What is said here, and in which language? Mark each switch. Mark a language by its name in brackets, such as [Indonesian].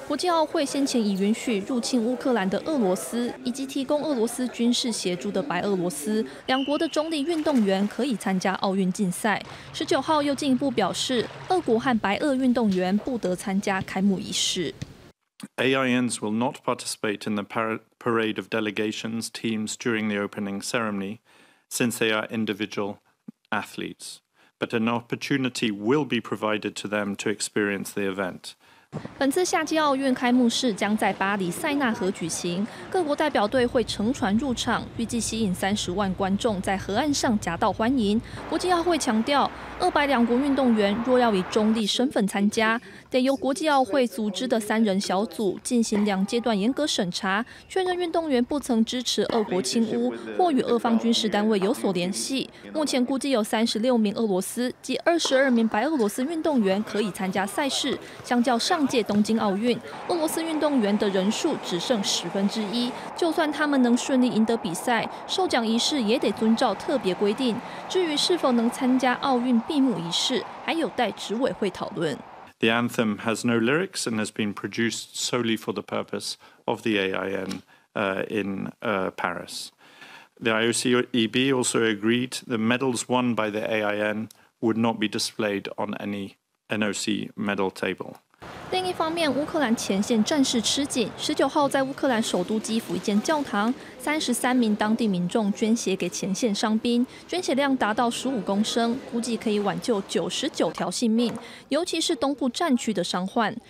[Chinese] 国际奥会先前已允许入侵乌克兰的俄罗斯，以及提供俄罗斯军事协助的白俄罗斯两国的中立运动员可以参加奥运竞赛。 19号又进一步表示，俄国和白俄运动员不得参加开幕仪式。 [English] AINs will not participate in the parade of delegations teams during the opening ceremony, since they are individual athletes. But an opportunity will be provided to them to experience the event. [Chinese] 本次夏季奥运开幕式将在巴黎塞纳河举行，各国代表队会乘船入场，预计吸引30万观众在河岸上夹道欢迎。国际奥会强调，俄白两国运动员若要以中立身份参加，得由国际奥会组织的3人小组进行2阶段严格审查，确认运动员不曾支持俄国侵乌或与俄方军事单位有所联系。目前估计有36名俄罗斯及22名白俄罗斯运动员可以参加赛事，相较上届东京奥运，俄罗斯运动员的人数只剩1/10。就算他们能顺利赢得比赛，授奖仪式也得遵照特别规定。至于是否能参加奥运闭幕仪式，还有待执委会讨论。 [English] The anthem has no lyrics and has been produced solely for the purpose of the AIN Paris. The IOCEB also agreed the medals won by the AIN would not be displayed on any NOC medal table. [Chinese] 另一方面，乌克兰前线战事吃紧。19号在乌克兰首都基辅一间教堂，33名当地民众捐血给前线伤兵，捐血量达到15公升，估计可以挽救99条性命，尤其是东部战区的伤患。